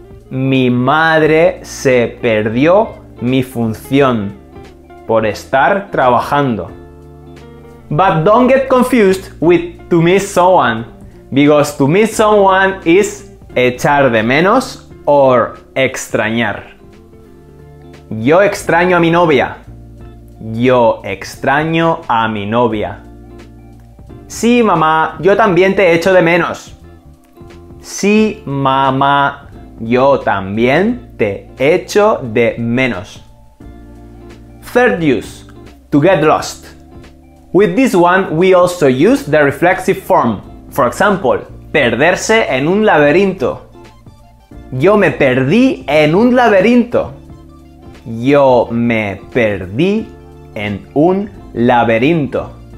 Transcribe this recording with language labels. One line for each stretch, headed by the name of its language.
Spanish: Mi madre se perdió mi función por estar trabajando.
English: But don't get confused with to miss someone, because to miss someone is
Spanish: echar de menos
English: or extrañar.
Spanish: Yo extraño a mi novia. Yo extraño a mi novia. Sí, mamá, yo también te echo de menos. Sí, mamá, yo también te echo de menos.
English: Third use, to get lost. With this one, we also use the reflexive form. For example,
Spanish: perderse en un laberinto. Yo me perdí en un laberinto. Yo me perdí en un laberinto.